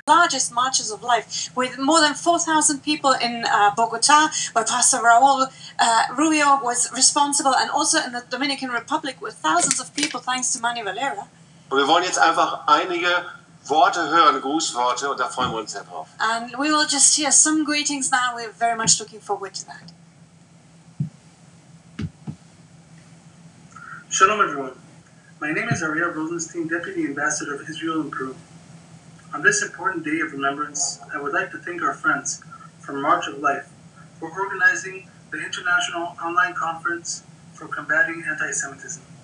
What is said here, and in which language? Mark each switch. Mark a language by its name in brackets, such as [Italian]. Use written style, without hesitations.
[English] Largest marches of life, with more than 4,000 people in Bogota, where Pastor Raul Rubio was responsible, and also in the Dominican Republic with thousands of people, thanks to Manny Valera. [German] Wir wollen jetzt einfach einige Worte hören, Grußworte, und da freuen wir uns sehr drauf. [English] And we will just hear some greetings now, we're very much looking forward to that. Shalom, everyone. My name is Ariel Rosenstein, Deputy Ambassador of Israel in Peru. On this important day of remembrance, I would like to thank our friends from March of Life for organizing the International Online Conference for Combating Anti-Semitism.